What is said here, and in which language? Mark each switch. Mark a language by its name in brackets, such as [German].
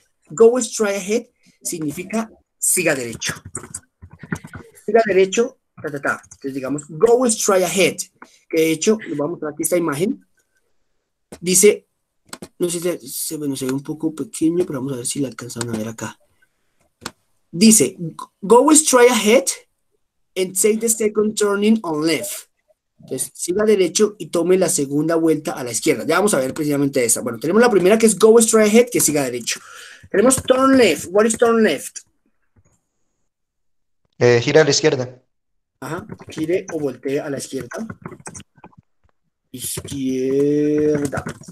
[English] Go straight ahead [Spanish] significa siga derecho. Siga derecho, ta, ta, ta. Entonces digamos, [English] go straight ahead. [Spanish] Que de hecho, lo voy a mostrar aquí esta imagen. Dice, no sé si se ve un poco pequeño, pero vamos a ver si la alcanzan a ver acá. Dice, [English] go straight ahead and take the second turning on left. [Spanish] Entonces, siga derecho y tome la segunda vuelta a la izquierda. Ya vamos a ver precisamente esa. Bueno, tenemos la primera que es [English] go straight ahead, [Spanish] que siga derecho. Tenemos [English] turn left. What is turn left? [Spanish] Gira a la izquierda. Ajá, gire o voltee a la izquierda. Izquierda.